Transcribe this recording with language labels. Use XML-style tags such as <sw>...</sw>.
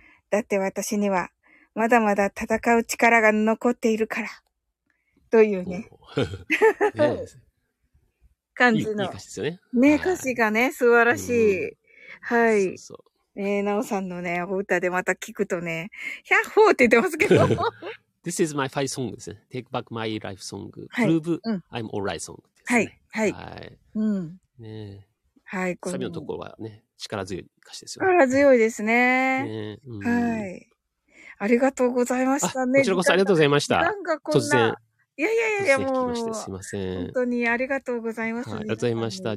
<ja>だって私には、まだまだ戦う力が残っているから。というね。感じの。いい歌詞ですよね。ね、歌詞がね、素晴らしい。はい。そうそう、なおさんのね、お歌でまた聞くとね、ヒャッホーって言ってますけど。</ja> <en>This is my fight song ですね。 Take back my life song. Prove、はい、I'm alright song、ね。</en> <ja>はい。はい。はい。うん、ねえ。はい。サビのところはね、力強い歌詞ですよ。力強いですね。ね、うん、はい。ありがとうございましたね。こちらこそありがとうございました。なんかこんな突然。いやいやいやいや、もう。すいません。本当にありがとうございます、ね、はい。ありがとうございました。</ja>